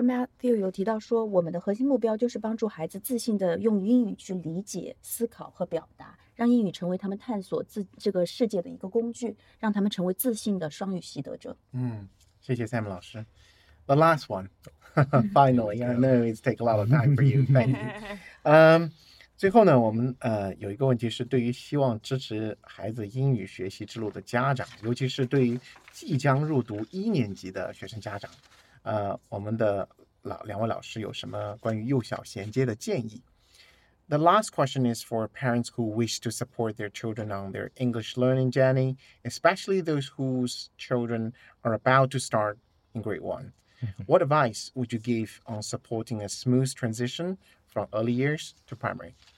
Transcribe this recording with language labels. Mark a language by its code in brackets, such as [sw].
[zh] Matthew 有提到说，我们的核心目标就是帮助孩子自信的用英语去理解、思考和表达，让英语成为他们探索这个世界的一个工具，让他们成为自信的双语习得者。谢谢 Sam 老师。 [en] The last one, finally, I know it's take a lot of time for you. Thank you. [zh] 最后呢，我们有一个问题是，对于希望支持孩子英语学习之路的家长，尤其是对于即将入读一年级的学生家长，我们的两位老师有什么关于幼小衔接的建议？ [en] The last question is for parents who wish to support their children on their English learning journey, especially those whose children are about to start in grade one. What advice would you give on supporting a smooth transition from early years to primary?